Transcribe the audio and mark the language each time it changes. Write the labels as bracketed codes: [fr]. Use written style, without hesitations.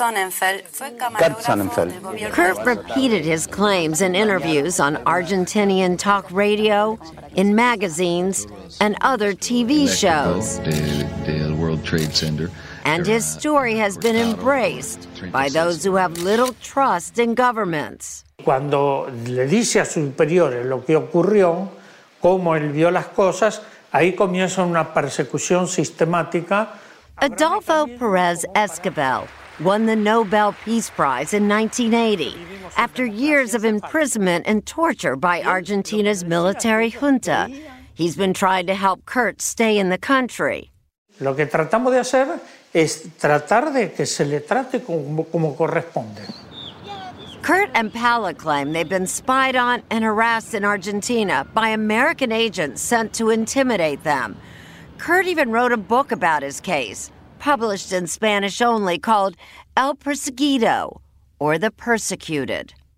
[en] Kurt repeated his claims in interviews on Argentinian talk radio, in magazines, and other TV shows. The World Trade Center. And his story has been embraced by those who have little trust in governments. [es] Cuando le dice a sus superiores lo que ocurrió, cómo él vio las cosas, ahí comienza una persecución sistemática. [en] Adolfo Pérez Esquivel won the Nobel Peace Prize in 1980 after years of imprisonment and torture by Argentina's military junta. He's been trying to help Kurt stay in the country. [es] Lo que tratamos de hacer es tratar de que se le trate como corresponde. [en] Kurt and Paola claim they've been spied on and harassed in Argentina by American agents sent to intimidate them. Kurt even wrote a book about his case, published in Spanish only, called El Perseguido, or The Persecuted.